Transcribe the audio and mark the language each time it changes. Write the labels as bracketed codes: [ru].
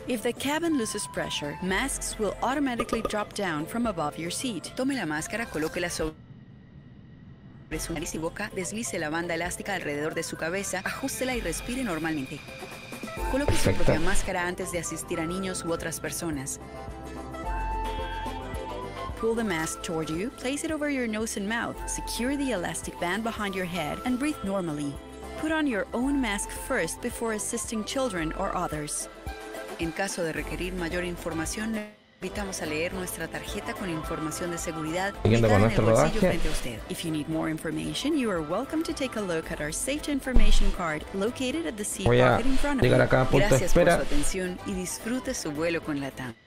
[en] If the cabin loses pressure, masks will automatically drop down from above your seat. [es] Tome la máscara, colóquela sobre su nariz y boca, deslice la banda elástica alrededor de su cabeza, ajústela y respire normalmente. Coloque su propia máscara antes de asistir a niños u otras personas. [en] Pull the mask toward you, place it over your nose and mouth, secure the elastic band behind your head, and breathe normally. Put on your own mask first before assisting children or others. [es] En caso de requerir mayor información, le invitamos a leer nuestra tarjeta con información de seguridad ubicada en el bolsillo frente a usted. [en] If you need more information, you are welcome to take a look at our safety information card located at the seat pocket in front of you. [es] Gracias por su atención y disfrute su vuelo con Latam.